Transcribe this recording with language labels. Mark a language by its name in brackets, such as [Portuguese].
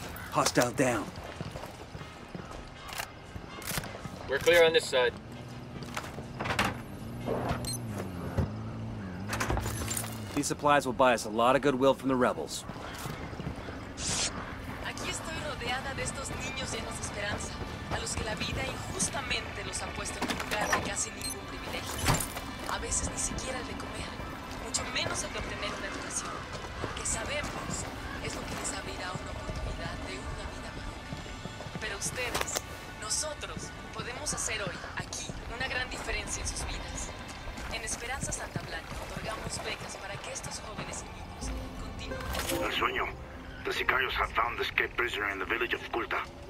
[English] Hostile down. We're clear on this side. These supplies will buy us a lot of goodwill from the rebels. [Spanish] Aquí estoy rodeada de estos niños llenos de esperanza, a los que la vida injustamente los ha puesto en un lugar de casi ningún privilegio. A veces ni siquiera el de comer, mucho menos el de obtener una educación. Lo que sabemos es lo que les abrirá una oportunidad de una vida mejor. Pero ustedes, nosotros, podemos hacer hoy, aquí, una gran diferencia en sus vidas. En Esperanza Santa Blanca otorgamos becas para que estos jóvenes y niños continúen. El sueño. [English] The sicarios have found the escape prisoner in the village of Culta.